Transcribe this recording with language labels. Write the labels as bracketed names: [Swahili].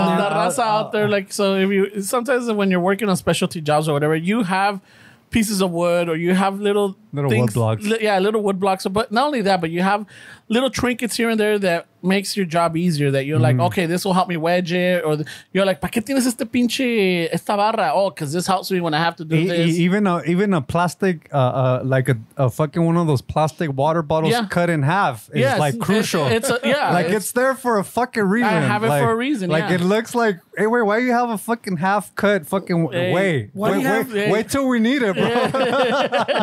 [English] That raza out there, like, so if you sometimes when you're working on specialty jobs or whatever, you have pieces of wood, or you have little things, wood blocks. Little wood blocks. But not only that, but you have little trinkets here and there that makes your job easier. That you're like, okay, this will help me wedge it. Or you're like, [Spanish] ¿para qué tienes este pinche esta barra? [English] Oh, because this helps me when I have to do this. Even a plastic, like a fucking one of those plastic water bottles cut in half is crucial. It's there for a fucking reason. I have it for a reason. It looks like, hey, wait, why do you have a fucking half cut fucking wait till we need it, bro.